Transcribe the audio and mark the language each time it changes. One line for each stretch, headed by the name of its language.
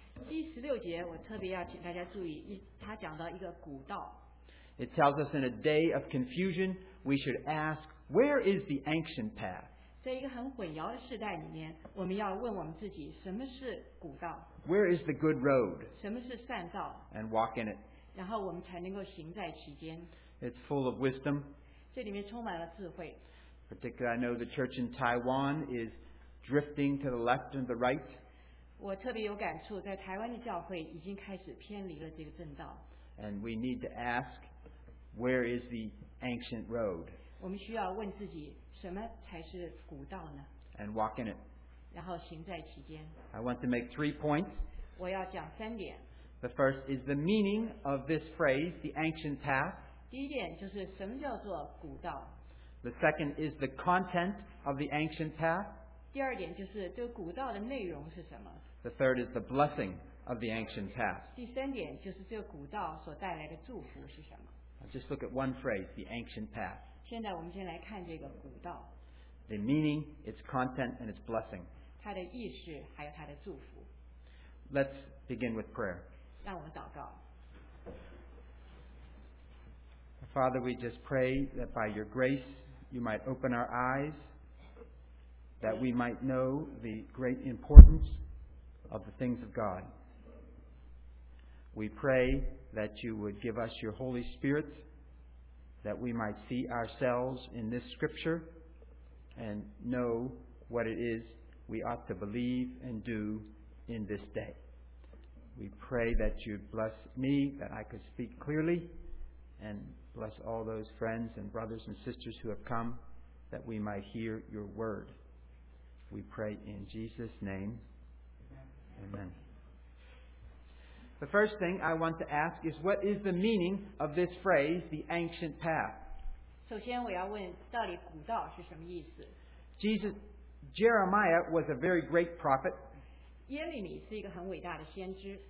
Chinese: 第16节, 我特别要请大家注意, 它讲到一个古道。
English: It tells us in a day of confusion, we should ask, where is the ancient path?
Chinese: 在一个很混淆的时代里面, 我们要问我们自己, 什么是古道?
English: Where is the good road?
Chinese: 什么是善道?
English: And walk in it.
Chinese: 然后我们才能够行在其间。
English: It's full of wisdom.
Chinese: 这里面充满了智慧。
English: Particularly, I know the church in Taiwan is drifting to the left and the right.
Chinese: 我特别有感触, 在台湾的教会已经开始偏离了这个正道。
English: And we need to ask, where is the ancient road?
Chinese: 我们需要问自己, 什么才是古道呢?
English: And walk in it.
Chinese: 然后行在其间。
English: I want to make 3 points.
Chinese: 我要讲3点。
English: The first is the meaning of this phrase, the ancient path.
Chinese: 第一点就是什么叫做古道。
English: The second is the content of the ancient path.
Chinese: 第二点就是这个古道的内容是什么。
English: The third is the blessing of the ancient path.
Chinese: 第三点就是这个古道所带来的祝福是什么。
English: I'll just look at one phrase, the ancient path.
Chinese: 现在我们先来看这个古道。
English: The meaning, its content, and its blessing.
Chinese: 它的意识还有它的祝福。
English: Let's begin with prayer.
Chinese: 让我们祷告。
English: Father, we just pray that by your grace, you might open our eyes, that we might know the great importance of the things of God. We pray that you would give us your Holy Spirit, that we might see ourselves in this scripture and know what it is we ought to believe and do in this day. We pray that you'd bless me, that I could speak clearly, and bless all those friends and brothers and sisters who have come, that we might hear your word. We pray in Jesus' name. Amen. The first thing I want to ask is, what is the meaning of this phrase, the ancient path?
Chinese: 首先我要问到底古道是什么意思?
English: Jeremiah was a very great prophet.
Chinese: 耶利米是一个很伟大的先知。